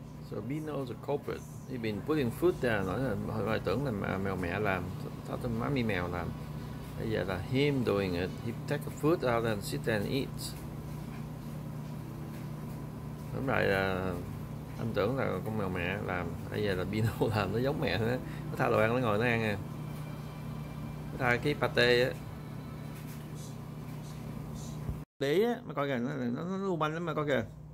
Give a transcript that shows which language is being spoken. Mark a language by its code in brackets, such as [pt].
[en] So Bino is a culprit. He's been putting food down. [vi] I tưởng là mèo mẹ làm, thật là mami mèo làm. Bây giờ là [en] him doing it. He take the food out and sit and eat. [vi] Tóm lại là anh tưởng là con mèo mẹ làm, bây giờ là Bino làm, nó giống mẹ nữa. Nó tha đồ ăn, nó ngồi nó ăn à. Nó tha cái pate á. Để á, mà coi kìa, nó lu banh lắm mà coi kìa.